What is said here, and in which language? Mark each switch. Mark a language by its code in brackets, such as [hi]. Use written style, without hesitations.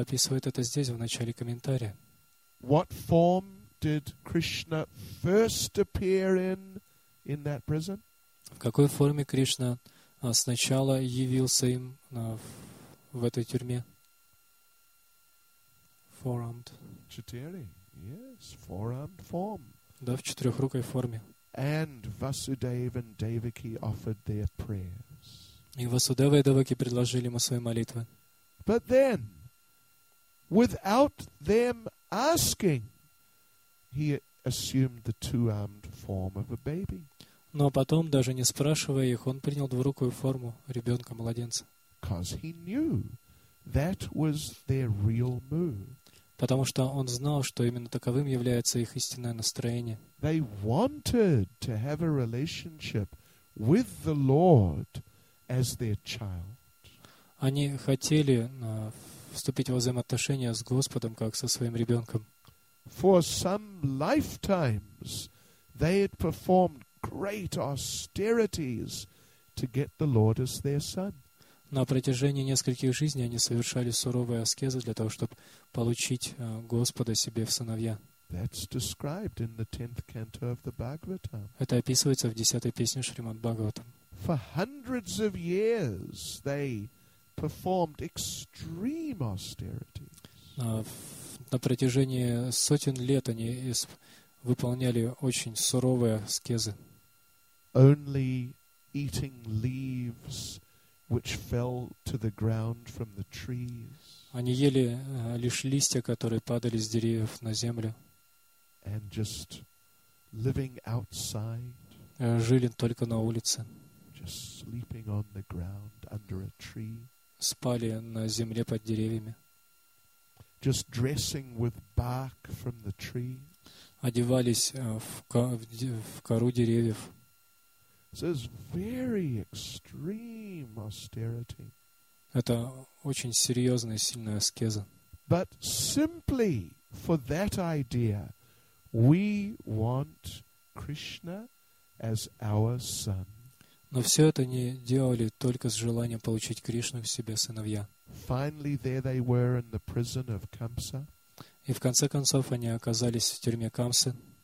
[ru] описывает это здесь, в начале комментария. [en] What form did Krishna first appear in that prison? [ru] В какой форме Кришна сначала явился им в этой тюрьме? [en] Four-armed. Chitari, yes, four-armed form. [ru] Да, в четырехрукой форме. [en] And Vasudev and Devaki offered their prayers. [ru] И Васудева и Деваки предложили ему свои молитвы. [en] But then, without them asking, he assumed the two-armed form of a baby. [ru] Но потом, даже не спрашивая их, он принял двурукую форму ребенка-младенца. [en] Because he knew that was their real mood. [ru] Потому что он знал, что именно таковым является их истинное настроение. [en] They wanted to have a relationship with the Lord as their child. [ru] Они хотели вступить во взаимоотношения с Господом, как со своим ребенком. [en] For some lifetimes they had performed great austerities to get the Lord as their son. [ru] На протяжении нескольких жизней они совершали суровые аскезы для того, чтобы получить Господа себе в сыновья. [en] That's described in the 10th canto of the Bhagavatam. [ru] Это описывается в 10-й песне Шримад-Бхагаватам. [en] For hundreds of years they performed extreme austerities. [ru] На протяжении сотен лет они выполняли очень суровые аскезы. [en] Only eating leaves which fell to the ground from the trees. [ru] Они ели лишь листья, которые падали с деревьев на землю. [en] And just living outside. [ru] Жили только на улице. [en] Just sleeping on the ground under a tree. [ru] Спали на земле под деревьями. [en] Just dressing with bark from the tree. [ru] Одевались в кору деревьев. [en] So it's very extreme austerity. [ru] Это очень серьезная, сильная аскеза. [en] But simply for that idea, we want Krishna as our son. [ru] Но все это они делали только с желанием получить Кришну в себе сыновья. И в конце концов они оказались в тюрьме Камсы.